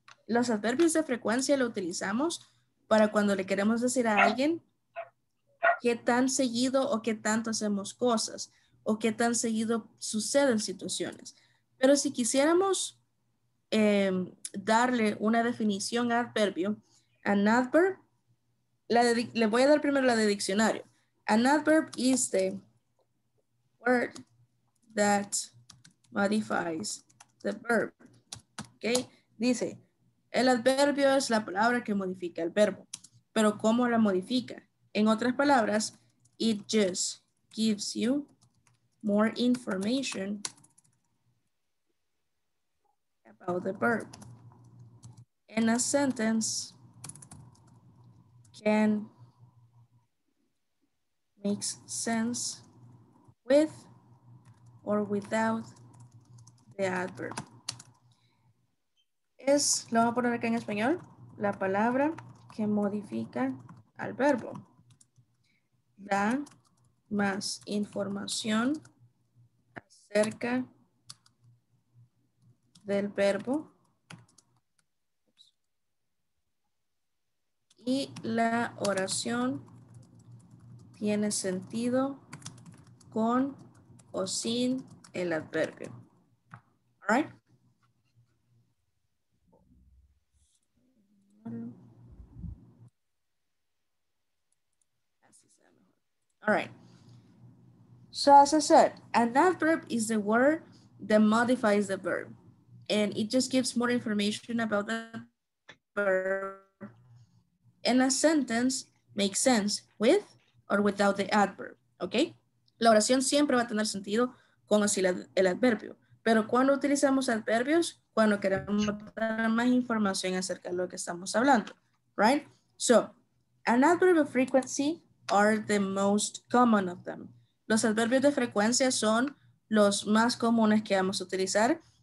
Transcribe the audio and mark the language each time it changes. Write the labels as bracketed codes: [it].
[es] Los adverbios de frecuencia lo utilizamos para cuando le queremos decir a alguien qué tan seguido o qué tanto hacemos cosas o qué tan seguido suceden situaciones. Pero si quisiéramos darle una definición a adverbio, an adverb, le voy a dar primero la de diccionario. [en] An adverb is the word that modifies the verb. Okay? [es] Dice, el adverbio es la palabra que modifica el verbo. Pero ¿cómo la modifica? En otras palabras, [en] it just gives you more information about the verb. In a sentence, can make sense with or without the adverb. [es] Es, lo voy a poner acá en español, la palabra que modifica al verbo. Da más información acerca del verbo y la oración tiene sentido con o sin el adverbio. [en] All right. All right. So as I said, an adverb is the word that modifies the verb. And it just gives more information about the verb. And a sentence makes sense with or without the adverb, okay? [es] La oración siempre va a tener sentido con así el adverbio. Pero cuando utilizamos adverbios, cuando queremos dar más información acerca de lo que estamos hablando, right? [en] So, an adverb of frequency are the most common of them. [es] Los adverbios de frecuencia son los más comunes que vamos a utilizar.